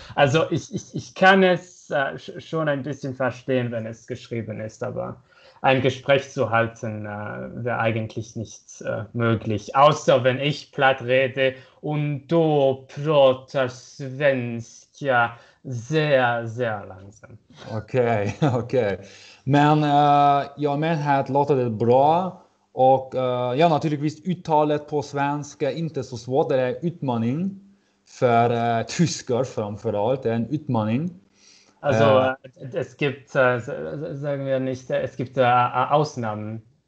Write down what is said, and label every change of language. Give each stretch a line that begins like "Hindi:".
German: Also ich kann es schon ein bisschen verstehen, wenn es geschrieben ist, aber ein Gespräch zu halten wäre eigentlich nicht möglich, außer wenn ich platt rede und du pratar svenska. Ja, sehr, sehr langsam. Okay.
Swedish: Men jag menar att låter det bra. Och ja, naturligtvis uttalet på svenska inte så svårt. Det är en utmaning för tyskar framförallt. Det är en utmaning.
German: Alltså, es gibt, sagen wir nicht, es gibt Ausnahmen.